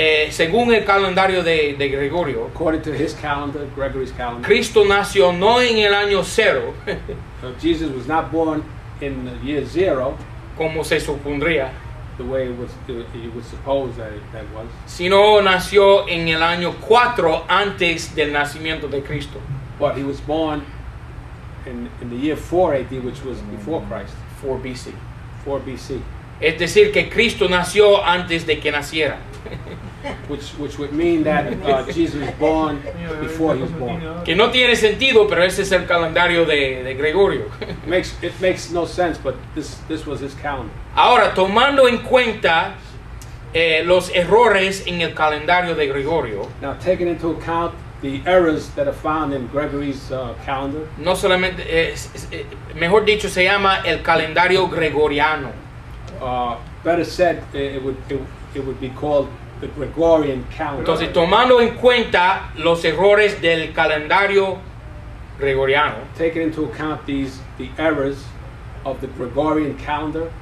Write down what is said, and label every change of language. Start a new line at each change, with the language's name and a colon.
Spanish: Según el calendario de Gregorio,
English: according to his calendar, Gregory's calendar,
Spanish: Cristo nació no en el año cero,
English: so Jesus was not born in the year zero,
Spanish: como se supondría,
English: the way it was supposed that was,
Spanish: sino nació en el año cuatro antes del nacimiento de Cristo.
English: But he was born in the year 4 AD, which was before Christ, 4 BC.
Spanish: Es decir, que Cristo nació antes de que naciera.
English: Which would mean that Jesus was born before he was born.
Spanish: Que no tiene sentido, pero ese es el calendario de Gregorio.
English: It makes no sense, but this was his calendar.
Spanish: Ahora, tomando en cuenta los errores en el calendario de Gregorio.
English: Now, taking into account the errors that are found in Gregory's calendar.
Spanish: No solamente, mejor dicho, se llama el calendario gregoriano.
English: Better said, it would be called the Gregorian calendar.
Spanish: Entonces, tomando en cuenta los errores del calendario gregoriano,
English: taking into account the errors of the Gregorian calendar,